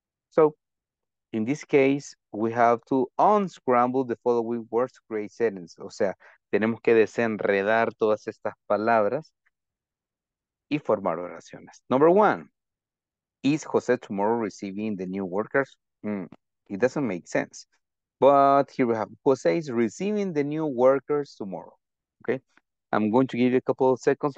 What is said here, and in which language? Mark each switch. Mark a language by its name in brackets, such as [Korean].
[English] So, in this case, we have to unscramble the following words to create sentence. [Spanish] O sea, tenemos que desenredar todas estas palabras y formar oraciones. [English] Number one, is José tomorrow receiving the new workers? It doesn't make sense. But here we have, José is receiving the new workers tomorrow. Okay, I'm going to give you a couple of seconds.